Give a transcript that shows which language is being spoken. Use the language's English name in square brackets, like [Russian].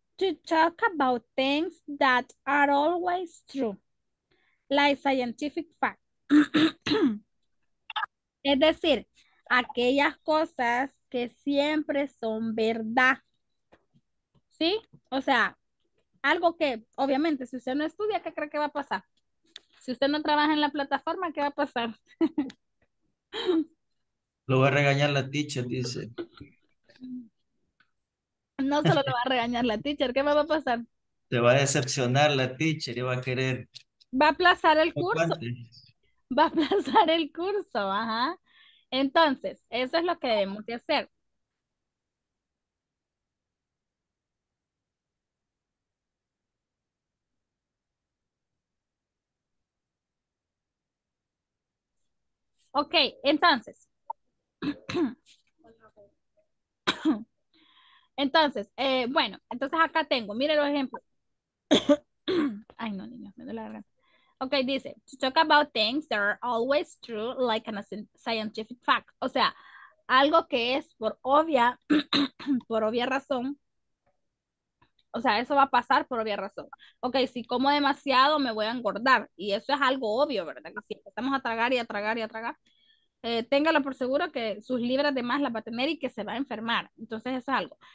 [English] To talk about things that are always true, like scientific fact. [Spanish] Es decir, aquellas cosas que siempre son verdad. ¿Sí? O sea, algo que obviamente si usted no estudia, ¿qué cree que va a pasar? Si usted no trabaja en la plataforma, ¿qué va a pasar? Lo va a regañar la teacher, dice. No solo lo va a regañar la teacher, ¿qué me va a pasar? Te va a decepcionar la teacher y va a querer. Va a aplazar el ¿O curso. cuánto? Va a aplazar el curso, ajá. Entonces, eso es lo que debemos de hacer. Ok, entonces. Entonces, bueno, entonces acá tengo, mire los ejemplos. Ay, no, niños, me duele la garganta. [English] Ok, [Spanish] dice, [English] to talk about things that are always true, like a scientific fact. [Spanish] O sea, algo que es por obvia, por obvia razón. O sea, eso va a pasar por obvia razón. Ok, si como demasiado me voy a engordar. Y eso es algo obvio, ¿verdad? Que si empezamos a tragar y a tragar y a tragar. Téngalo por seguro que sus libras de más las va a tener y que se va a enfermar. Entonces es algo.